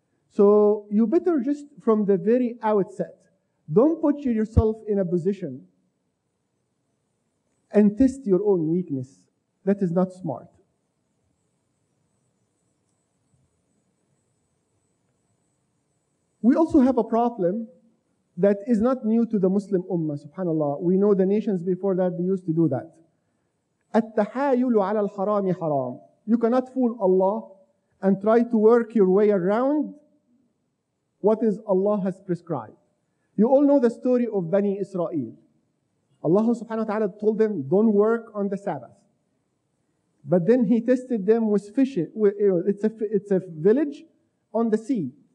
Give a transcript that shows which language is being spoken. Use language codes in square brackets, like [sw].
[en] So you better just from the very outset, don't put yourself in a position and test your own weakness. That is not smart. We also have a problem that is not new to the Muslim Ummah, subhanAllah. We know the nations before that, they used to do that. [ar] التحايل على الحرام حرام. [en] You cannot fool Allah and try to work your way around what is Allah has prescribed. You all know the story of Bani Israel. Allah subhanahu wa ta'ala told them, don't work on the Sabbath. But then he tested them with fishing. It's a village on the sea.